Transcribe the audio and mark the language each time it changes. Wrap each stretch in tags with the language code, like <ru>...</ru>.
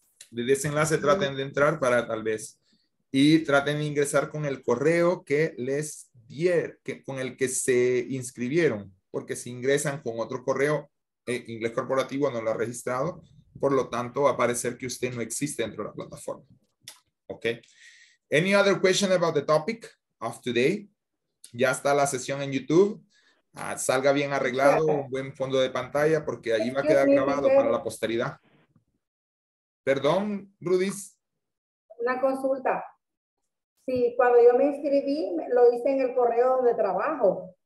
<es>Desde ese enlace traten de entrar para tal vez. Y traten de ingresar con el correo que les dieron, con el que se inscribieron. Porque si ingresan con otro correo, inglés corporativo no lo ha registrado. Por lo tanto, va a parecer que usted no existe dentro de la plataforma. ¿Ok?</es> <en>Any other question about the topic of today?</en> <es>Ya está la sesión en YouTube. Salga bien arreglado, un buen fondo de pantalla, porque ahí va a quedar grabado para la posteridad. Perdón, Rudis. Una consulta. Sí, cuando yo me inscribí, lo hice en el correo de trabajo.</es>